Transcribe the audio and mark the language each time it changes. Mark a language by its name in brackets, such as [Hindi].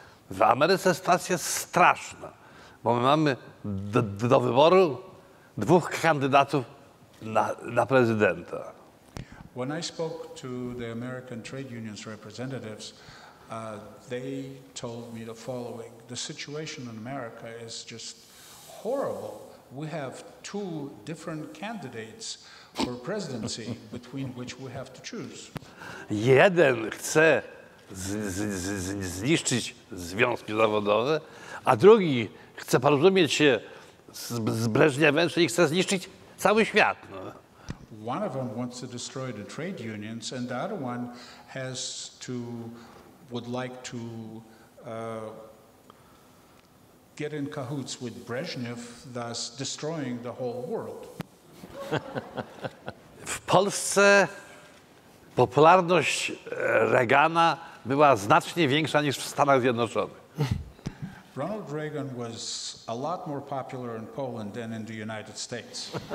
[Polish] W Ameryce sytuacja jest straszna, bo my mamy do wyboru dwóch kandydatów na prezydenta. [English] When I spoke to the American trade unions representatives, they told me the following. The situation in America is just horrible. We have two different candidates for presidency between which we have to choose. [Polish] Jeden chce zniszczyć związki zawodowe, a drugi chce porozumieć się z Breżniewem, czyli chce zniszczyć cały świat. No. [English] One of them wants to destroy the trade unions, and the other one has to, would like to get in cahoots with Brezhnev, thus destroying the whole world. [Polish] W Polsce popularność Reagana była znacznie większa niż w Stanach Zjednoczonych. [English] Ronald Reagan was a lot more popular in Poland than in the United States.